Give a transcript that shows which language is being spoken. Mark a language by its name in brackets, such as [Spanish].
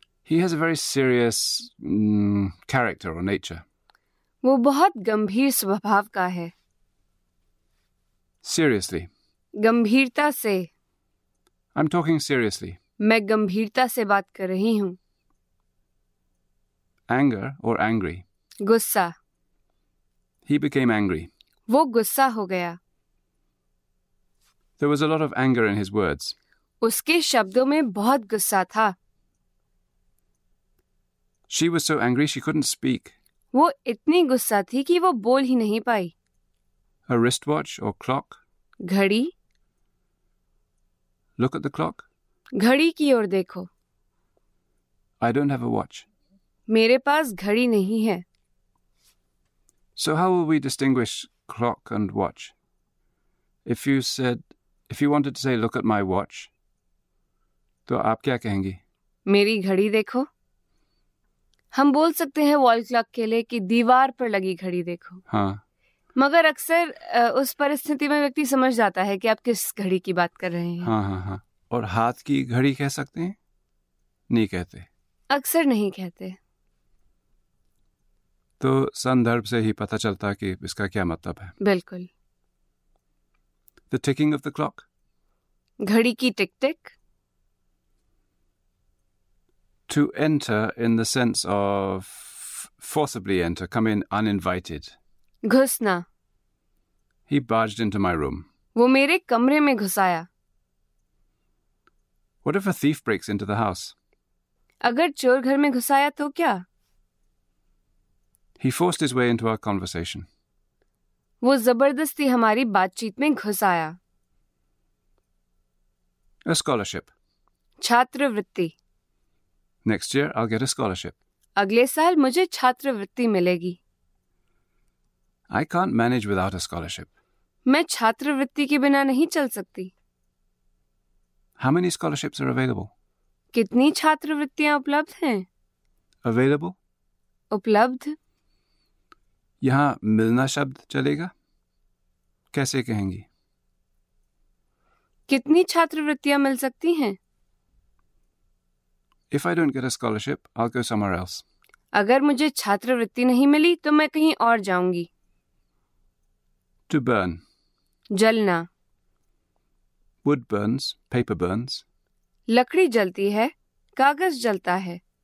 [English] He has a very serious character or nature. [Hindi] वो बहुत गंभीर स्वभाव का है. [English] Seriously. [Hindi] गंभीरता से. [English] I'm talking seriously. [Hindi] मैं गंभीरता से बात कर रही हूँ. [English] Anger or angry. [Hindi] गुस्सा. [English] He became angry. [Hindi] वो गुस्सा हो गया. [English] There was a lot of anger in his words. [Hindi] उसके शब्दों में बहुत गुस्सा था. [English] She was so angry she couldn't speak. [Hindi] वो इतनी गुस्सा थी कि वो बोल ही नहीं पाई. [English] A wristwatch or clock? [Hindi] घड़ी. [English] Look at the clock. [Hindi] घड़ी की ओर देखो। [English] I don't have a watch. [Hindi] मेरे पास घड़ी नहीं है। [English] So how will we distinguish clock and watch? If you wanted to say look at my watch, [Hindi] तो आप क्या कहेंगी? मेरी घड़ी देखो। हम बोल सकते हैं वॉल क्लॉक के लिए कि दीवार पर लगी घड़ी देखो। हाँ। मगर अक्सर उस परिस्थिति में व्यक्ति समझ जाता है कि आप किस घड़ी की बात कर रहे हैं। हाँ हाँ हाँ। और हाथ की घड़ी कह सकते हैं? नहीं कहते। अक्सर नहीं कहते। तो संदर्भ से ही पता चलता कि इसका क्या मतलब है। बिल्कुल। [English] The ticking of the clock. [Hindi] घड़ी की टिक टिक। [English] To enter in the sense of forcibly enter, come in uninvited. [Hindi] घुसना। [English] He barged into my room. [Hindi] वो मेरे कमरे में घुसाया। [English] What if a thief breaks into the house? [Hindi] अगर चोर घर में घुसाया तो क्या? [English] He forced his way into our conversation. [Hindi] वो जबरदस्ती हमारी बातचीत में घुसाया। [English] A scholarship. [Hindi] छात्रवृत्ति। [English] Next year I'll get a scholarship. [Hindi] अगले साल मुझे छात्रवृत्ति मिलेगी। [English] I can't manage without a scholarship. [Hindi] मैं छात्रवृत्ति के बिना नहीं चल सकती। [English] How many scholarships are available? [Hindi] कितनी छात्रवृत्तियां उपलब्ध हैं? [English] Available? [Hindi] उपलब्ध? यहां मिलना शब्द चलेगा? कैसे कहेंगी? कितनी छात्रवृत्तियां मिल सकती हैं? [English] If I don't get a scholarship, I'll go somewhere else. [Hindi] अगर मुझे छात्रवृत्ति नहीं मिली तो मैं कहीं और जाऊंगी। [English] To burn. [Hindi] जलना। [English] Wood burns, paper burns. [Hindi] लकड़ी जलती है, कागज जलता है।